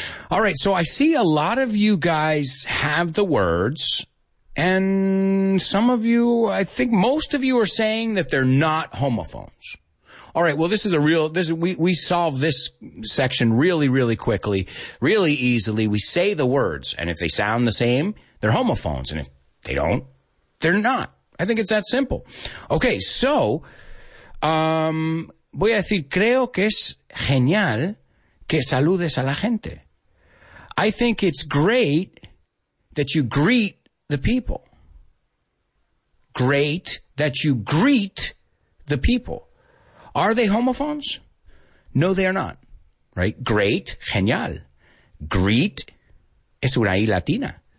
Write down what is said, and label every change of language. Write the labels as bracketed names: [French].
[English] All right, so I see a lot of you guys have the words, and some of you, I think most of you are saying that they're not homophones. All right, well, we solve this section really, really quickly, really easily. We say the words, and if they sound the same, they're homophones, and if they don't, they're not. I think it's that simple. [Spanish] Okay, so, voy a decir, creo que es genial que saludes a la gente. [English] I think it's great that you greet the people. great that you greet the people. Are they homophones? No, they are not. Right? [Spanish] Great, genial. Greet es una I latina.